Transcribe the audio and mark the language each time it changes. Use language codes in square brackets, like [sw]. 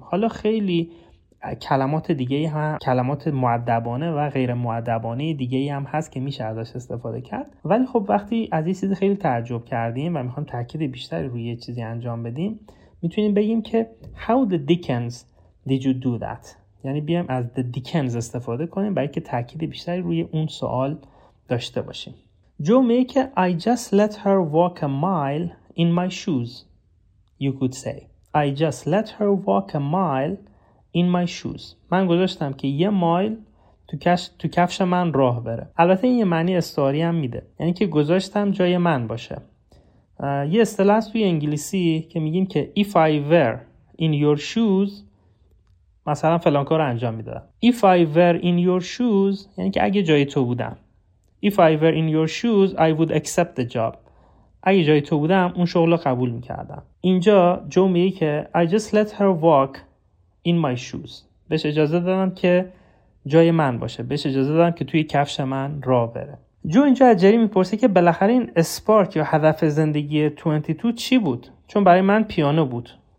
[fa] حالا خیلی کلمات دیگه هم، کلمات مؤدبانه و غیر مؤدبانه دیگه هم هست که میشه ازش استفاده کرد، ولی خب وقتی از یه چیزی خیلی تعجب کردیم و میخوایم تاکید بیشتری روی یه چیزی انجام بدیم میتونیم بگیم که [en] How the dickens did you do that؟ [fa] یعنی بیایم از the dickens استفاده کنیم برای که تاکید بیشتری روی اون سوال داشته باشیم. جو میگه که [en] I just let her walk a mile in my shoes. You could say I just let her walk a mile in my shoes. [fa] من گذاشتم که یه مایل تو کفش من راه بره. البته این یه معنی استعاری هم میده، یعنی که گذاشتم جای من باشه. یه اصطلاح توی انگلیسی که میگیم که [en] if I were in your shoes [fa] مثلا فلان کار انجام میدادم. [en] If I were in your shoes [fa] یعنی که اگه جای تو بودم. [en] If I were in your shoes, I would accept the job. [fa] اگه جای تو بودم اون شغل رو قبول میکردم. اینجا جو میگه که [en] I just let her walk in my shoes. [fa] بهش اجازه دادم که جای من باشه. بهش اجازه دادم که توی کفش من را بره. جو اینجا از جری میپرسه که بالاخره این اسپارک یا هدف زندگی 22 چی بود؟ چون برای من پیانو بود.